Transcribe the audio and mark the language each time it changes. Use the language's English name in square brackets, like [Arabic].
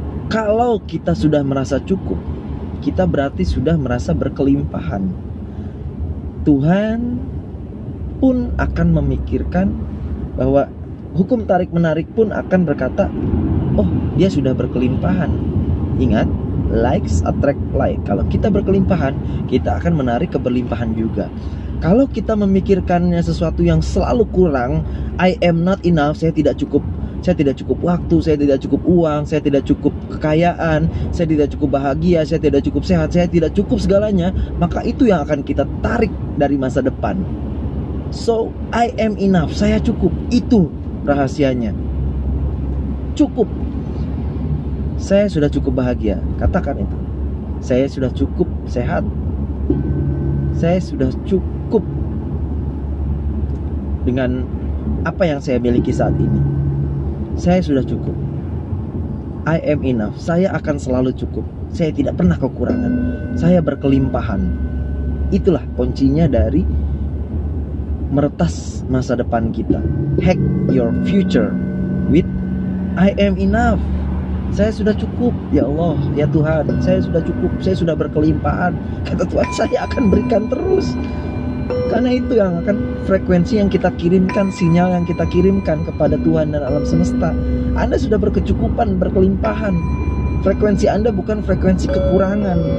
[Indonesian] Kalau kita sudah merasa cukup, kita berarti sudah merasa berkelimpahan. Tuhan pun akan memikirkan bahwa hukum tarik menarik pun akan berkata, oh, dia sudah berkelimpahan. [English] Ingat, likes attract like. [Indonesian] Kalau kita berkelimpahan, kita akan menarik keberlimpahan juga. Kalau kita memikirkannya sesuatu yang selalu kurang, [English] I am not enough, [Indonesian] saya tidak cukup. Saya tidak cukup waktu, saya tidak cukup uang, saya tidak cukup kekayaan, saya tidak cukup bahagia, saya tidak cukup sehat, saya tidak cukup segalanya. Maka itu yang akan kita tarik dari masa depan. [English] So, I am enough, [Indonesian] saya cukup. Itu rahasianya. Cukup. Saya sudah cukup bahagia, katakan itu. Saya sudah cukup sehat. Saya sudah cukup dengan apa yang saya miliki saat ini. Saya sudah cukup. [English] I am enough. [Indonesian] Saya akan selalu cukup. Saya tidak pernah kekurangan. Saya berkelimpahan. Itulah kuncinya dari meretas masa depan kita. [English] Hack your future with I am enough. [Indonesian] Saya sudah cukup. Ya Allah, ya Tuhan, saya sudah cukup. Saya sudah berkelimpahan. Kata Tuhan, saya akan berikan terus. Karena itu yang akan frekuensi yang kita kirimkan, sinyal yang kita kirimkan kepada Tuhan dan alam semesta. Anda sudah berkecukupan, berkelimpahan. Frekuensi Anda bukan frekuensi kekurangan.